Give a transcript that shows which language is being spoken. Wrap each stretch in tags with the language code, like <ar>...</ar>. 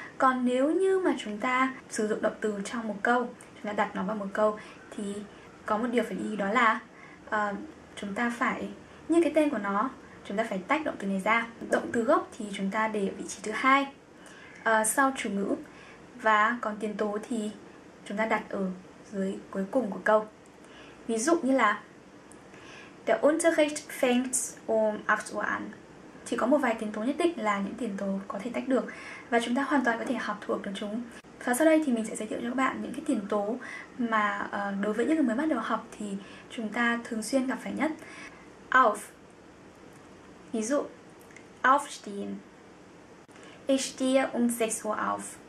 <vi>Còn nếu như mà chúng ta sử dụng động từ trong một câu, chúng ta đặt nó vào một câu, thì có một điều phải lưu ý đó là chúng ta phải, như cái tên của nó, chúng ta phải tách động từ này ra. Động từ gốc thì chúng ta để ở vị trí thứ hai sau chủ ngữ, và còn tiền tố thì chúng ta đặt ở dưới cuối cùng của câu. Ví dụ như là</vi> <de>Der Unterricht fängt um 8 Uhr an.</de> <vi>Chỉ có một vài tiền tố nhất định là những tiền tố có thể tách được và chúng ta hoàn toàn có thể học thuộc được chúng. Và sau đây thì mình sẽ giới thiệu cho các bạn những cái tiền tố mà đối với những người mới bắt đầu học thì chúng ta thường xuyên gặp phải nhất. Auf. Ví dụ</vi> <de>Aufstehen. Ich stehe um 6 Uhr auf.</de>